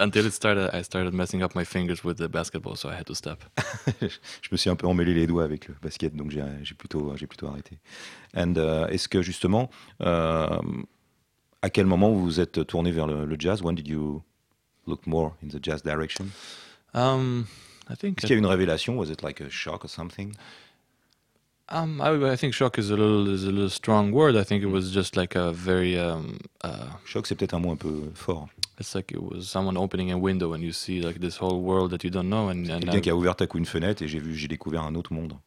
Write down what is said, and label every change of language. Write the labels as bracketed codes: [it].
[en] Until it started, I started messing up my fingers with the basketball, so I had to stop. [fr] Je me suis un peu emmêlé les doigts avec le basket, donc j'ai plutôt arrêté. And est-ce que justement, à quel moment vous vous êtes tourné vers le jazz? [en] When did you look more in the jazz direction? I think. [fr] Est-ce qu'il y a une révélation? [en] Was it like a shock or something? I think shock is a little strong word. I think it was just like a very shock. [fr] C'est peut-être un mot un peu fort. [en] It's like it was someone opening a window and you see like this whole world that you don't know. And [fr] quelqu'un qui a ouvert à coup une fenêtre et j'ai découvert un autre monde.